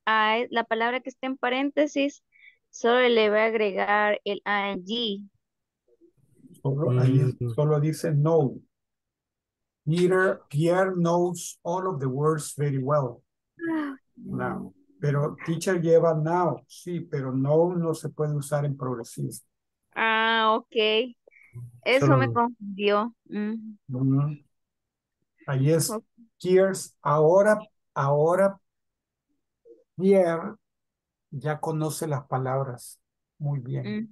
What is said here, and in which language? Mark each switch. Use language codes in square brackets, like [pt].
[es] Ah, la palabra que está en paréntesis, solo le voy a agregar el ing. Solo dice no. [en] Peter, Pierre knows all of the words very well. [es] Now. Pero teacher lleva now. Sí, pero no, no se puede usar en progresivo. Ah, ok. Eso solo me confundió. Mm-hmm. Mm-hmm. Ahí es. Okay. Pierre, ahora Pierre ya conoce las palabras muy bien.